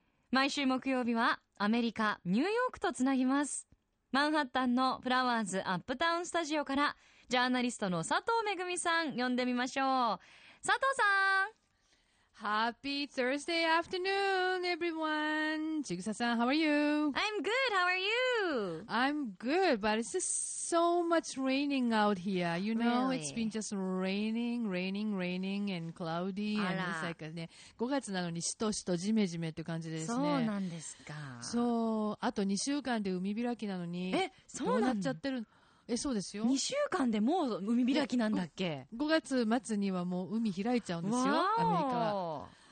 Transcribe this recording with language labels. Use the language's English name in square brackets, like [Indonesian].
[Japanese] 毎週木曜日はアメリカニューヨークとつなぎます。マンハッタンのフラワーズアップタウンスタジオからジャーナリストの佐藤めぐみさん呼んでみましょう。佐藤さん、 [English] ハッピーサーデーアフタヌーンエブリワン。ちぐささん、 How are you? I'm good, how are you? I'm good, but it's just so much raining out here. You know,、 really? It's been just raining, raining, raining and cloudy. And it's like, [Japanese] ね、5月なのにしとしとじめじめって感じですね。そうなんですか。そう、あと2週間で海開きなのに、え、そうなっちゃってる。え、そうですよ。 2週間でもう海開きなんだっけ。 5月末にはもう海開いちゃうんですよ、wow! アメリカは。